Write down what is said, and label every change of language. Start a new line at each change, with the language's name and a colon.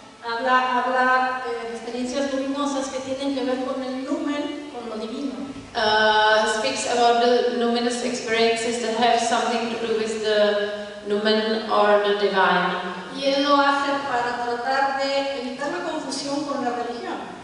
Spanish: Habla de experiencias luminosas que tienen que ver con el lumen, con lo divino.
English: Speaks about the luminous experiences that have something to do with the lumen or the divine.
Spanish: Y él lo hace para tratar de evitar la confusión con la religión.